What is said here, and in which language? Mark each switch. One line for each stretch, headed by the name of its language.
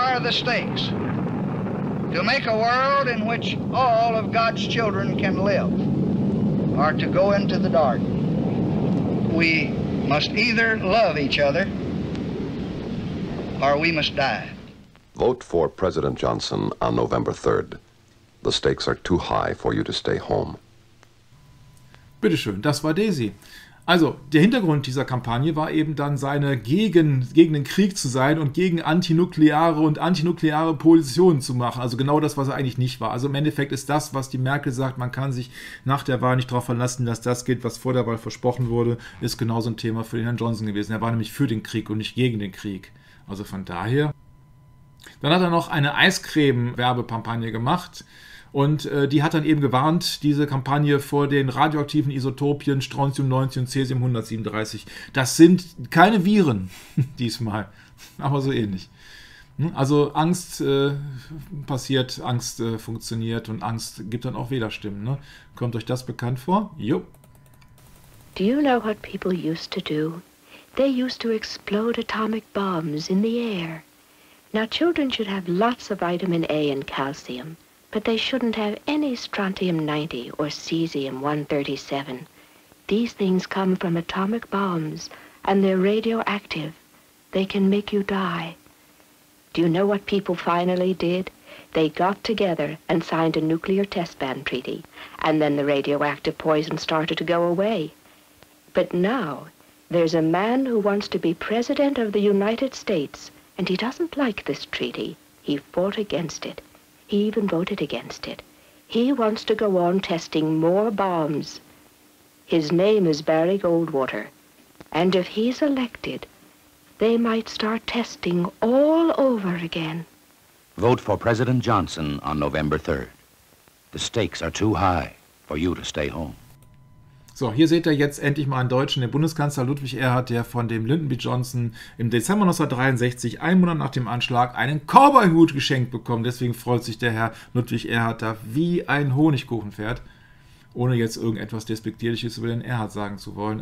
English: Stakes to make a world in which all of God's children can live or to go into the dark. We must either love each other or we must die. Vote for President Johnson on November 3rd. The stakes are too high for you to stay home.
German: Bitte schön, das war Daisy. Also, der Hintergrund dieser Kampagne war eben dann, seine gegen den Krieg zu sein und gegen antinukleare und antinukleare Positionen zu machen. Also genau das, was er eigentlich nicht war. Also im Endeffekt ist das, was die Merkel sagt, man kann sich nach der Wahl nicht darauf verlassen, dass das geht, was vor der Wahl versprochen wurde, ist genauso ein Thema für den Herrn Johnson gewesen. Er war nämlich für den Krieg und nicht gegen den Krieg. Also von daher. Dann hat er noch eine Eiscreme-Werbekampagne gemacht. Und die hat dann eben gewarnt, diese Kampagne, vor den radioaktiven Isotopien Strontium 90 und Cäsium 137. Das sind keine Viren diesmal, aber so ähnlich. Also Angst passiert, Angst funktioniert und Angst gibt dann auch Wählerstimmen. Ne? Kommt euch das bekannt vor? Jo.
English: Do you know what people used to do? They used to explode atomic bombs in the air. Now children should have lots of vitamin A and calcium. But they shouldn't have any strontium 90 or cesium 137. These things come from atomic bombs, and they're radioactive. They can make you die. Do you know what people finally did? They got together and signed a nuclear test ban treaty, and then the radioactive poison started to go away. But now, there's a man who wants to be president of the United States, and he doesn't like this treaty. He fought against it. He even voted against it. He wants to go on testing more bombs. His name is Barry Goldwater. And if he's elected, they might start testing all over again. Vote for President Johnson on November 3rd. The stakes are too high for you to stay home.
German: So, hier seht ihr jetzt endlich mal einen Deutschen, den Bundeskanzler Ludwig Erhard, der von dem Lyndon B. Johnson im Dezember 1963, einen Monat nach dem Anschlag, einen Cowboy-Hut geschenkt bekommt. Deswegen freut sich der Herr Ludwig Erhard da wie ein Honigkuchenpferd, ohne jetzt irgendetwas Despektierliches über den Erhard sagen zu wollen.